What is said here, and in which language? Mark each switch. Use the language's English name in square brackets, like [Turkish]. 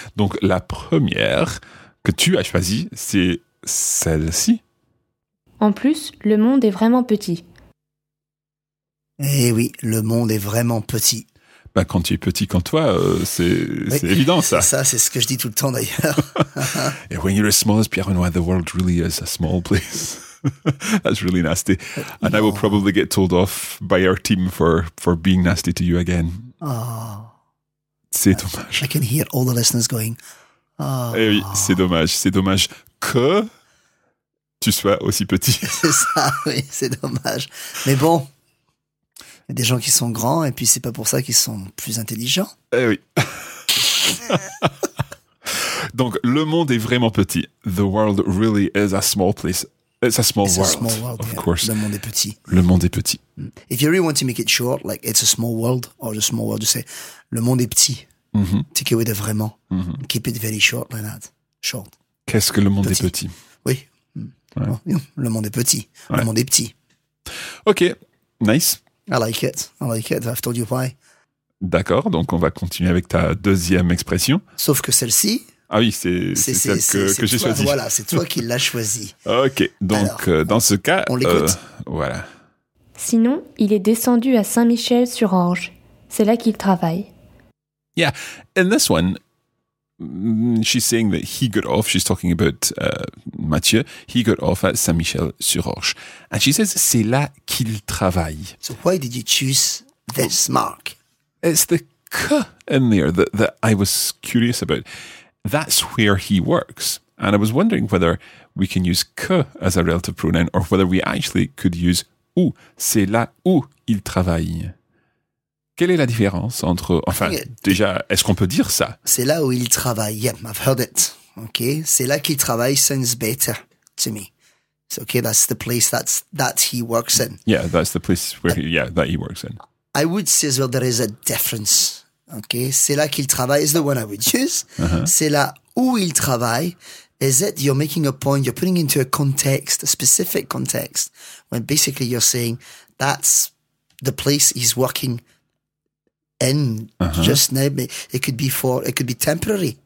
[French] Donc, la première que tu as choisie, c'est celle-ci. En plus, le monde est vraiment petit. Eh oui, le monde est vraiment petit. Ben, quand tu es petit comme toi, c'est oui, évident, ça. Ça, c'est ce que je dis tout le temps, d'ailleurs. [English] Et when you're as small as Pierre-Benoît, the world really is a small place. That's really nasty. And non. I will probably get told off by our team for being nasty to you again. Oh. [French] C'est dommage. [English] I can hear all the listeners going, oh. [French] Eh oui, c'est dommage. C'est dommage que tu sois aussi petit. C'est ça, oui, c'est dommage. Mais bon, il y a des gens qui sont grands et puis c'est pas pour ça qu'ils sont plus intelligents. Eh oui. Donc, le monde est vraiment petit. [English] The world really is a small place. It's a small it's world. It's a small world, of yeah. course. [French] Le monde est petit. Le monde est petit. [English] If you really want to make it short, like it's a small world or the small world, you say, [French] le monde est petit. Mm-hmm. [English] Take away the vraiment. Mm-hmm. Keep it very short like that. Short. [French] Qu'est-ce que le monde petit. Est petit? Oui. Ouais. Le monde est petit. Ouais. Le monde est petit. [English] OK. Nice. I like it. I like it. I've told you why. [French] D'accord. Donc, on va continuer avec ta deuxième expression. Sauf que celle-ci. Ah oui, c'est celle que j'ai choisie. Voilà, c'est toi qui l'as choisie. OK. Donc, alors, dans ce cas. On l'écoute. Voilà. Sinon, il est descendu à Saint-Michel-sur-Orge. C'est là qu'il travaille. [English] Yeah, in this one, she's saying that he got off. She's talking about Mathieu. He got off at Saint-Michel-sur-Orge. And she says, [French] c'est là qu'il travaille. [English] So why did you choose this mark? It's the K in there that I was curious about. That's where he works. And I was wondering whether we can use K as a relative pronoun or whether we actually could use où. [French] C'est là où il travaille. Quelle est la différence entre... Enfin, déjà, est-ce qu'on peut dire ça? C'est là où il travaille. [English] Yep, I've heard it. OK. [French] C'est là qu'il travaille [English] sounds better to me. It's OK, that's the place that he works in. Yeah, that's the place where that he works in. I would say as well there is a difference. OK. [French] C'est là qu'il travaille [English] is the one I would use. Uh-huh. [French] C'est là où il travaille. [English] Is it you're making a point, you're putting into a context, a specific context, when basically you're saying that's the place he's working in uh-huh. just now, but it could be temporary.